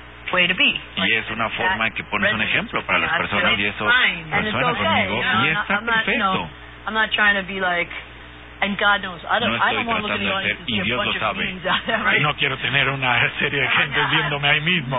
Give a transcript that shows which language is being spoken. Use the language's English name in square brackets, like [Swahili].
[Spanish] Y es una forma en que pones un ejemplo para las personas y eso resuena conmigo y está perfecto. [English] I'm not trying to be like, And God knows, I don't want to look in the audience and see a bunch of beings out there. Right? [Spanish] No quiero tener una serie de gente viéndome ahí mismo.